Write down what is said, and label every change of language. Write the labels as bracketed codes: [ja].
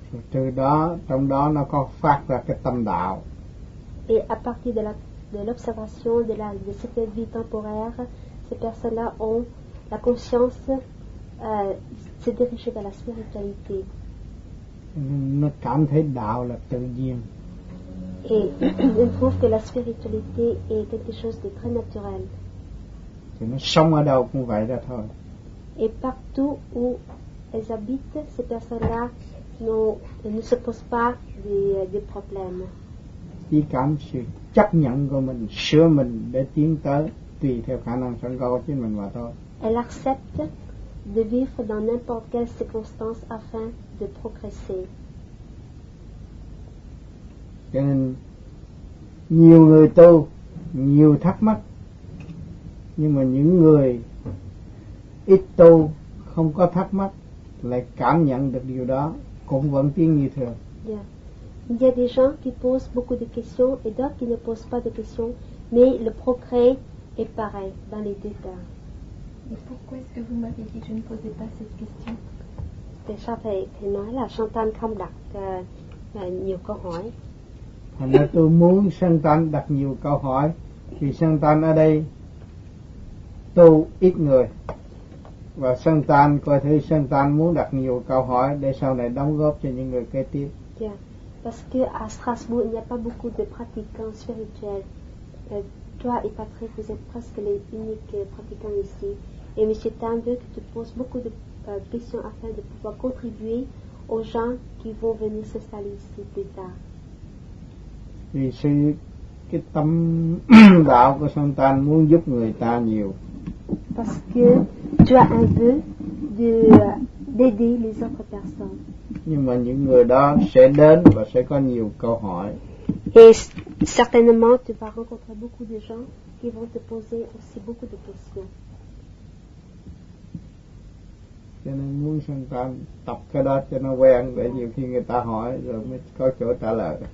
[vi] Từ đó, trong đó nó có phát ra cái tâm đạo. [fr] Et à partir de l'observation de cette vie temporaire, ces personnes-là ont la conscience se diriger vers la spiritualité. [vi] Nó cảm thấy đạo là tự nhiên. [fr] Et ils trouvent que la spiritualité est quelque chose de très naturel. [vi] Thì nó sống ở đâu cũng vậy ra thôi. [fr] Et partout où elles habitent, ces personnes-là ne se posent pas de problèmes. [vi] Chỉ cảm sự chấp nhận của mình, sửa mình để tiến tới tùy theo khả năng sẵn có của chính mình mà thôi. [fr] Elles acceptent de vivre dans n'importe quelle circonstance afin de progresser. [vi] Cho nên nhiều người tu, nhiều thắc mắc, nhưng mà những người ít tu không có thắc mắc lại cảm nhận được điều đó cũng vẫn tiến như thường. Yeah. [fr] Il y a des gens qui posent beaucoup de questions et d'autres qui ne posent pas de questions, mais le progrès est pareil dans les deux cas. Mais pourquoi est-ce que vous m'avez dit que je ne posais pas cette question? Déjà fait, [vi] nói là Shantan không đặt nhiều câu hỏi. Thành ra tôi muốn Shantan đặt nhiều câu hỏi vì Shantan ở đây tu ít người. Và Shantan coi thử Shantan muốn đặt nhiều câu hỏi để sau này đóng góp cho những người kế tiếp. Yeah. [fr] Parce que à Strasbourg, il n'y a pas beaucoup de pratiquants spirituels. Toi et Patrick, vous êtes presque les uniques pratiquants ici. Et M. Tan veut que tu poses beaucoup de questions afin de pouvoir contribuer aux gens qui vont venir s'installer ici plus tard. [vi] Vì sự cái tâm đạo của Shantan muốn giúp người ta nhiều. [fr] Parce que tu as un vœu d'aider les autres personnes. [vi] Nhưng mà những người đó sẽ đến và sẽ có nhiều câu hỏi. [fr] Et certainement tu vas rencontrer beaucoup de gens qui vont te poser aussi beaucoup de questions. [vi] Cho nên muốn sân tâm tập cái đó cho nó quen để nhiều khi người ta hỏi rồi mới có chỗ trả lời.